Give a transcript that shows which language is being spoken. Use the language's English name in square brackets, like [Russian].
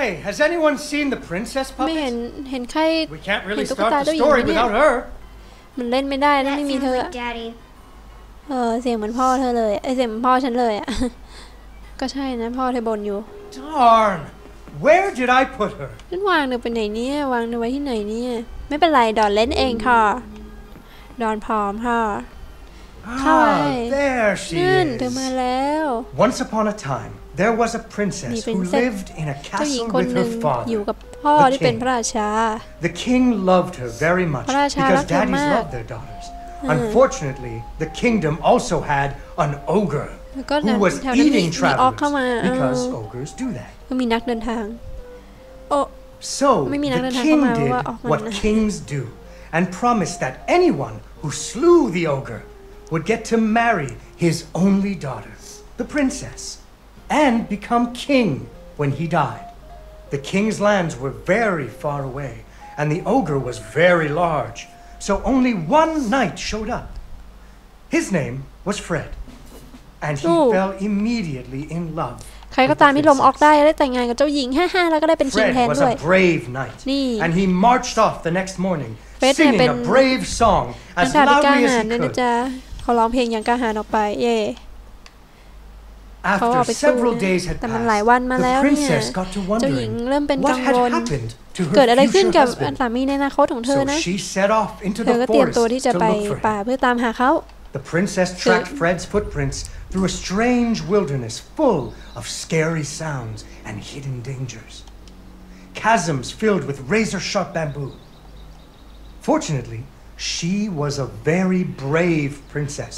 [English] has anyone seen the princess puppet [Thai] เห็นใคร [English] we can't really start the story without her [Thai] มันเล่นไม่ได้แล้วไม่มีเธอเสียงเหมือนพ่อเธอเลยไอ้เสียงเหมือนพ่อฉันเลยอ่ะก็ใช่นะพ่อเธอบ่นอยู่ [English] Darn Where did I put her [Thai] ฉันวางเธอไปไหนเนี่ยวางเธอไว้ที่ไหนเนี่ยไม่เป็นไรดอนเล่นเองค่ะดอนพร้อมค่ะ [English] ค่ะ There she is [Thai] เธอมาแล้ว [English] Once upon a time There was a princess who lived in a castle with her father. [Thai] อยู่กับพ่อที่เป็นพระราชา [English] The king loved her very much because daddy loved their daughters. Unfortunately, the kingdom also had an ogre who was eating travelers because ogres do that. [Thai] มีนักเดินทาง [English] So the king did what kings do and promised that anyone who slew the ogre would get to marry his only daughter, the princess, and become king when he died. The king's lands were very far away and the ogre was very large, so only one knight showed up. His name was Fred, and he fell immediately in love. [Thai] ใครก็ตามที่ลมออกได้ได้แต่งงานกับเจ้าหญิงฮ่าๆแล้วก็ได้เป็นคิงแทนด้วยนี ่ [English] and he marched off the next morning singing a brave song as loudly as he could [Thai] เขาร้องเพลงอย่างกล้าหาญออกไปเย่ [English] After several days had passed [Thai] แต่มันหลายวันมาแล้วเนี่ยเจ้าหญิงเริ่มเป็นกังวลเกิดอะไรขึ้นกับสามีในอนาคตของเธอนะเธอก็เตรียมตัวที่จะไปป่าเพื่อตามหาเขา [English] The princess tracked Fred's footprints through a strange wilderness full of scary sounds and hidden dangers. Chasms filled with razor-sharp bamboo. Fortunately, she was a very brave princess